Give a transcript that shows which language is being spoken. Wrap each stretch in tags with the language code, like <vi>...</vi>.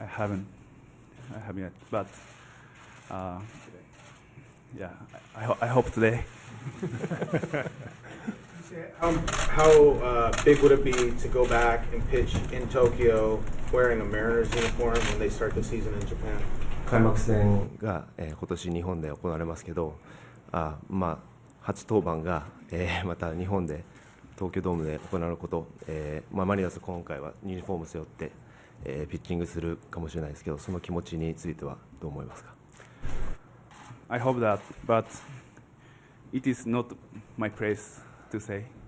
<en>I haven't yet, but yeah, I hope today. How big would it be to go back and pitch in Tokyo wearing a Mariners uniform when they start the season in Japan?</en> <ja>開幕戦が、今年日本で行われますけど、まあ初登板が、また日本で東京ドームで行われること、まあ、マリナーズ今回はユニフォームを背負って、ピッチングするかもしれないですけど、その気持ちについてはどう思いますか。</ja> <en>I hope that, but it is not my place to say.</en>